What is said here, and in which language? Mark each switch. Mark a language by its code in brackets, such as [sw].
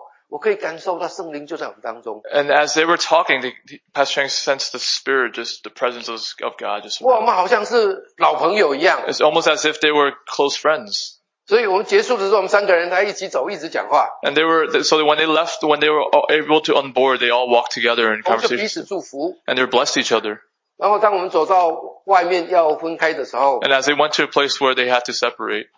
[zh] 我可以感受到圣灵就在我们当中。 [en] And as they were talking, Pastor Chang sensed the spirit, just the presence of God. [zh] 哇，我们好像是老朋友一样。 [en] It's almost as if they were close friends. [zh] 所以我们结束的时候，我们三个人他一起走，一直讲话。 [en] And they were, so when they left, when they were able to onboard, they all walked together in conversation. [zh] 我们就彼此祝福。 [en] And they blessed each other. [zh] 然后当我们走到外面要分开的时候。 [en] And as they went to a place where they had to separate.